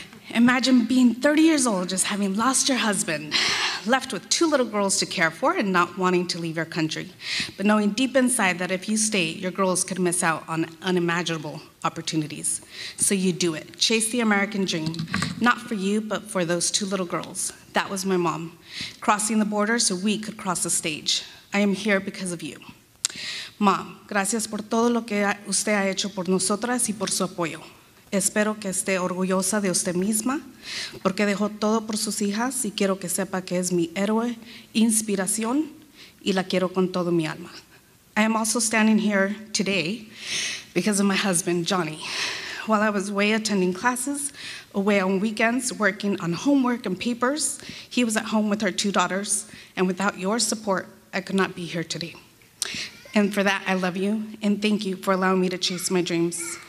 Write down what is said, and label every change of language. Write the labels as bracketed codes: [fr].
[en] Imagine being 30 years old, just having lost your husband, left with two little girls to care for and not wanting to leave your country, but knowing deep inside that if you stay, your girls could miss out on unimaginable opportunities. So you do it. Chase the American dream, not for you, but for those two little girls. That was my mom, crossing the border so we could cross the stage. I am here because of you. [es] Mom, gracias por todo lo que usted ha hecho por nosotras y por su apoyo. Espero que esté orgullosa de usted misma, porque dejó todo por sus hijas y quiero que sepa que es mi héroe, inspiración, y la quiero con todo mi alma. [en] I am also standing here today because of my husband, Johnny. While I was away attending classes, away on weekends, working on homework and papers, he was at home with our two daughters, and without your support, I could not be here today. And for that, I love you, and thank you for allowing me to chase my dreams.